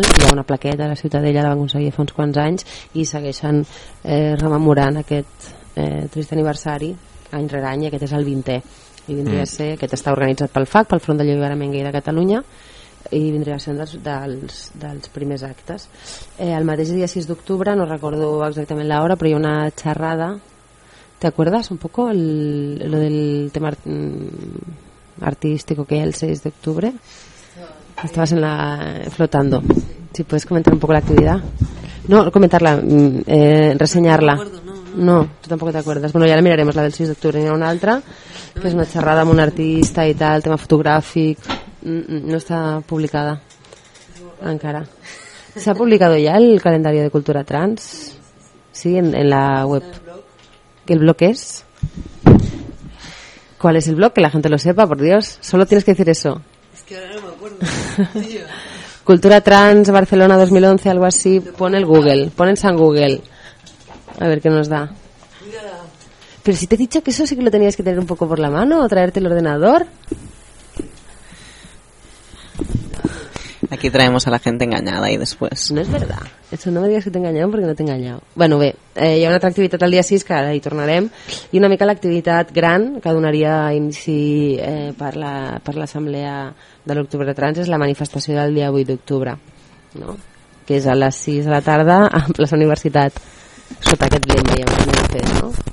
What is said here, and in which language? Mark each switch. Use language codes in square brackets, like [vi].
[ca] Hi ha una plaqueta a la Ciutadella, la van aconseguir fa uns quants anys, i segueixen rememorant aquest trist aniversari any rere any, i aquest és el 20è. I vindria a ser, aquest està organitzat pel FAC, pel Front de l'Alliberament Gai de Catalunya, i vindria a ser un dels primers actes. El mateix dia 6 d'octubre, no recordo exactament l'hora, però hi ha una xerrada. [es] ¿Te acuerdas un poco lo del tema artístico que hay el 6 de octubre? Estabas en la flotando. Si puedes comentar un poco la actividad. No, comentarla, reseñarla. No, tú tampoco te acuerdas. Bueno, ya la miraremos, la del 6 de octubre. Hay una otra, que es una charrada con un artista y tal, tema fotográfico. No está publicada. Encara. ¿Se ha publicado ya el calendario de cultura trans? Sí, en la web. ¿El blog es? ¿Cuál es el blog? Que la gente lo sepa, por Dios. Solo tienes que decir eso. Es que ahora no me acuerdo. Cultura Trans Barcelona 2011, algo así. Pon el Google, pon en San Google. A ver qué nos da. Pero si te he dicho que eso sí que lo tenías que tener un poco por la mano, o traerte el ordenador. Aquí traemos a la gente engañada y después... No es verdad. Eso no me digas que te engañaron porque no te he engañado. [ca] Bueno, bé, hi ha una altra activitat el dia 6, que ara hi tornarem, i una mica l'activitat gran que donaria inici per l'assemblea de l'Octubre Trans és la manifestació del dia 8 d'octubre, no? Que és a les 6 de la tarda a plaça Universitat, sota aquest lema, ja m'ho hem fet, no?